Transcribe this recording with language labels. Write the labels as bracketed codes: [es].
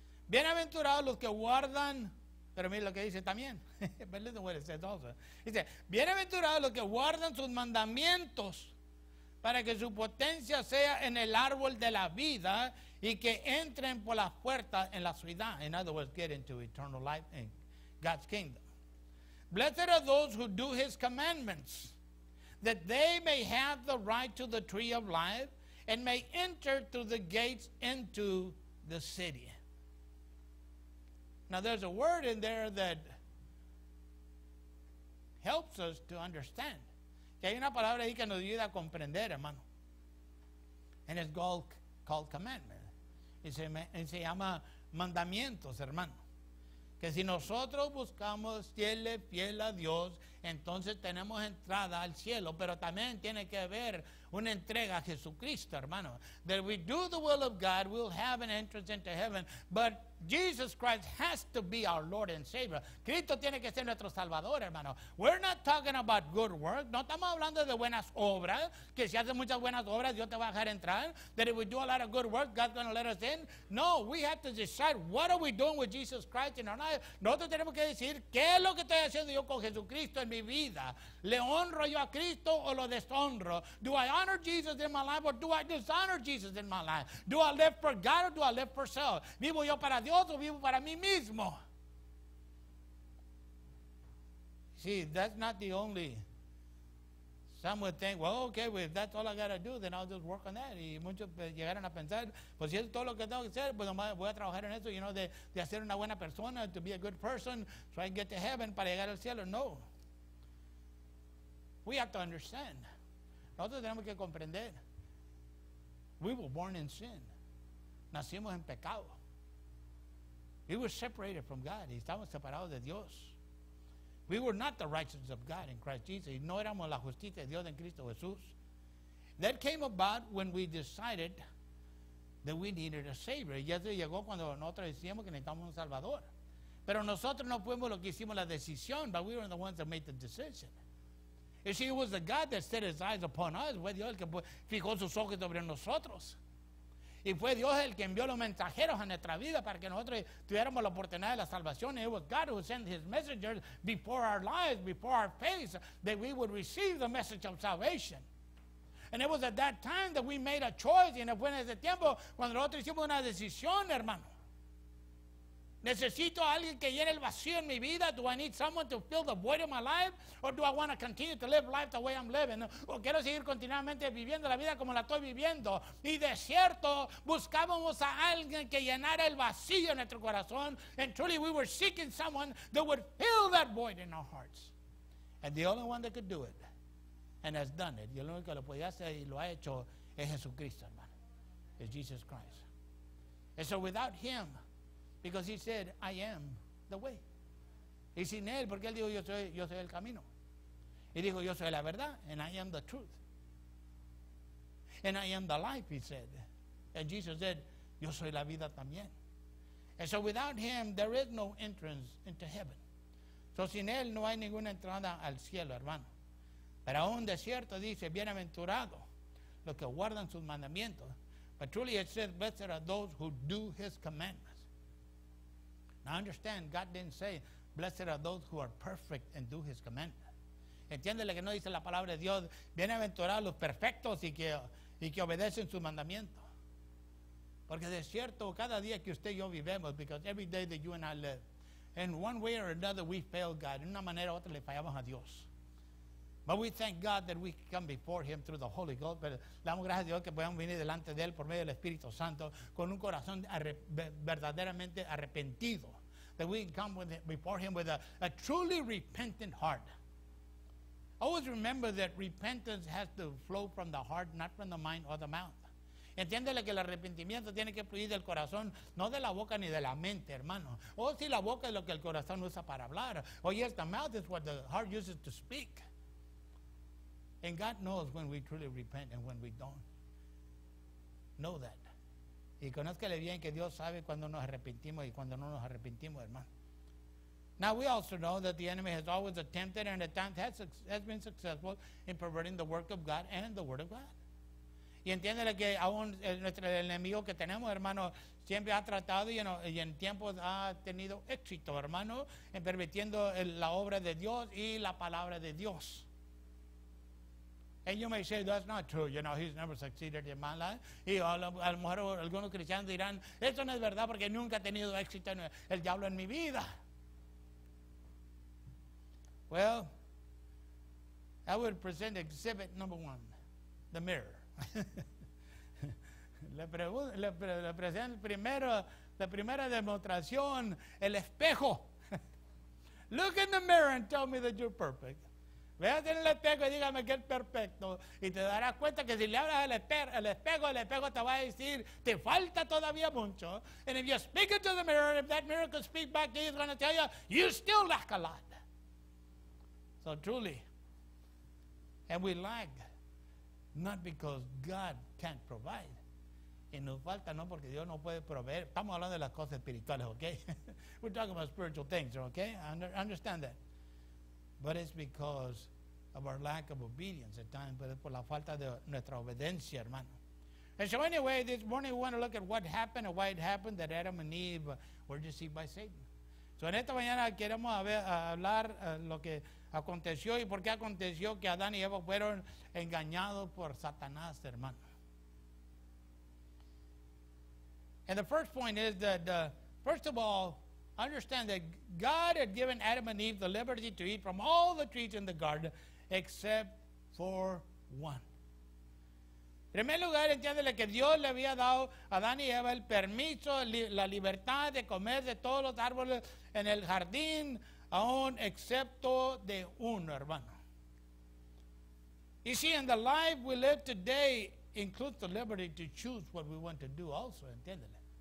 [es] Bienaventurados los que guardan, pero mira lo que dice también. [en] But listen what it says also. [es] Dice, bienaventurados los que guardan sus mandamientos para que su potencia sea en el árbol de la vida y que entren por las puertas en la ciudad. [en] In other words, get into eternal life in God's kingdom. Blessed are those who do his commandments, that they may have the right to the tree of life and may enter through the gates into the city. Now there's a word in there that helps us to understand. [es] Que hay una palabra ahí que nos ayuda a comprender, hermano. [en] And it's called commandment. [es] Y se llama mandamientos, hermano. Que si nosotros buscamos serle fiel a Dios, entonces tenemos entrada al cielo, pero también tiene que haber una entrega a Jesucristo, hermano. [en] That we do the will of God, we'll have an entrance into heaven, but Jesus Christ has to be our Lord and Savior. [es] Cristo tiene que ser nuestro Salvador, hermano. [en] We're not talking about good works. [es] No estamos hablando de buenas obras, que si haces muchas buenas obras, Dios te va a dejar entrar. [en] That if we do a lot of good works, God's going to let us in. No, we have to decide, what are we doing with Jesus Christ in our life? [es] Nosotros tenemos que decir, ¿qué es lo que estoy haciendo yo con Jesucristo en mi vida? ¿Le honro yo a Cristo o lo deshonro? [en] Do I honor Jesus in my life or do I dishonor Jesus in my life? Do I live for God or do I live for self? [es] ¿Vivo yo para Dios o vivo para mí mismo? [en] See, that's not the only. Some would think, well, okay, well, if that's all I got to do, then I'll just work on that. [es] Y muchos llegaron a pensar, pues si es todo lo que tengo que hacer, pues nomás voy a trabajar en eso, you know, de hacer una buena persona, [en] to be a good person, so I can get to heaven [es] para llegar al cielo. No. [en] We have to understand. [es] Nosotros tenemos que comprender. [en] We were born in sin. [es] Nacimos en pecado. [en] We were separated from God. Y estamos separados de Dios. We were not the righteousness of God in Christ Jesus. [es] No éramos la justicia de Dios en Cristo Jesús. [en] That came about when we decided that we needed a Savior. [es] Y eso llegó cuando nosotros decíamos que necesitamos un Salvador. Pero nosotros no fuimos los que hicimos la decisión, [en] but we were the ones that made the decision. You see, it was the God that set his eyes upon us. [es] Fue Dios el que fijó sus ojos sobre nosotros. Y fue Dios el que envió los mensajeros a nuestra vida para que nosotros tuviéramos la oportunidad de la salvación. [en] It was God who sent his messengers before our lives, before our face, that we would receive the message of salvation. And it was at that time that we made a choice. [es] Y fue en ese tiempo cuando nosotros hicimos una decisión, hermano. Necesito a alguien que llene el vacío en mi vida. [en] Do I need someone to fill the void of my life? Or do I want to continue to live life the way I'm living? [es] O quiero seguir continuamente viviendo la vida como la estoy viviendo. Y de cierto, buscábamos a alguien que llenara el vacío en nuestro corazón. [en] And truly we were seeking someone that would fill that void in our hearts. And the only one that could do it and has done it. [es] Y el único que lo podía hacer y lo ha hecho es Jesucristo, hermano. Es Jesus Christ. [en] And so without him, because he said, I am the way. [es] Y sin él, porque él dijo, yo soy el camino. Y dijo, yo soy la verdad. [en] And I am the truth. And I am the life, he said. And Jesus said, [es] yo soy la vida también. [en] And so without him, there is no entrance into heaven. So [es] sin él, no hay ninguna entrada al cielo, hermano. Pero aún desierto dice, bienaventurado los que guardan sus mandamientos. [en] But truly it says, blessed are those who do his commandments. Now understand, God didn't say, blessed are those who are perfect and do his commandments. [es] Entiéndele que no dice la palabra de Dios, bienaventurados los perfectos y que obedecen sus mandamientos. Porque de cierto, cada día que usted y yo vivemos, [en] because every day that you and I live, in one way or another we fail God. [es] En una manera u otra le fallamos a Dios. [en] But we thank God that we come before him through the Holy Ghost. [es] Pero damos gracias a Dios que podamos venir delante de él por medio del Espíritu Santo con un corazón verdaderamente arrepentido. [en] That we can come before him with a truly repentant heart. Always remember that repentance has to flow from the heart, not from the mind or the mouth. [es] Entiéndele que el arrepentimiento tiene que fluir del corazón, no de la boca ni de la mente, hermano. Oh, si la boca es lo que el corazón usa para hablar. [en] Oh, yes, the mouth is what the heart uses to speak. And God knows when we truly repent and when we don't. Know that. [es] Y conózcale bien que Dios sabe cuando nos arrepentimos y cuando no nos arrepentimos, hermano. [en] Now, we also know that the enemy has always attempted and at times has been successful in perverting the work of God and the word of God. [es] Y entiéndele que aún nuestro enemigo que tenemos, hermano, siempre ha tratado y en tiempos ha tenido éxito, hermano, en permitiendo la obra de Dios y la palabra de Dios. [en] And you may say, that's not true. You know, he's never succeeded in my life. [es] Y a lo mejor algunos cristianos dirán, eso no es verdad porque nunca ha tenido éxito el diablo en mi vida. [en] Well, I would present exhibit number one, the mirror. [es] le presento la primera demostración, el espejo. [en] Look in the mirror and tell me that you're perfect. [es] Véate en el espejo y dígame que es perfecto. Y te darás cuenta que si le hablas al espejo te va a decir, te falta todavía mucho. [en] And if you speak it to the mirror, and if that mirror could speak back to you, it's going to tell you, you still lack a lot. So truly, and we lack. Not because God can't provide. [es] Y nos falta, no porque Dios no puede proveer. Estamos hablando de las cosas espirituales, okay? [en] We're talking about spiritual things, okay? Understand that. But it's because of our lack of obedience at times. [es] Pero es por la falta de nuestra obediencia, hermano. [en] And so anyway, this morning we want to look at what happened and why it happened that Adam and Eve were deceived by Satan. [es] So en esta mañana queremos hablar lo que aconteció y por qué aconteció que Adán y Eva fueron engañados por Satanás, hermano. [en] And the first point is that, first of all, understand that God had given Adam and Eve the liberty to eat from all the trees in the garden except for one. [es] En primer lugar, entiéndele que Dios le había dado a Adán y Eva el permiso, la libertad de comer de todos los árboles en el jardín, aún excepto de uno, hermano. [en] You see, in the life we live today includes the liberty to choose what we want to do also, [es] entiéndele.